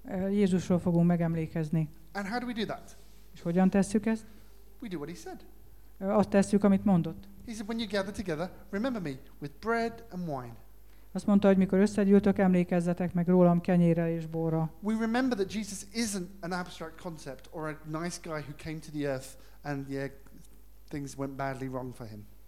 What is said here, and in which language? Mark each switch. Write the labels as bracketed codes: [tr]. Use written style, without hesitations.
[hu] Jézusról fogunk megemlékezni. [en] And how do we do that? [hu] És hogyan tesszük ezt? [en] We do what he said. [hu] Azt tesszük, amit mondott. [en] He said, when you gather together, remember me with bread and wine. [hu] Azt mondta, hogy mikor összegyűltök, emlékezzetek meg rólam kenyérrel és borral. [en] We remember that Jesus isn't an abstract concept or a nice guy who came to the earth and yeah, things went badly wrong for him.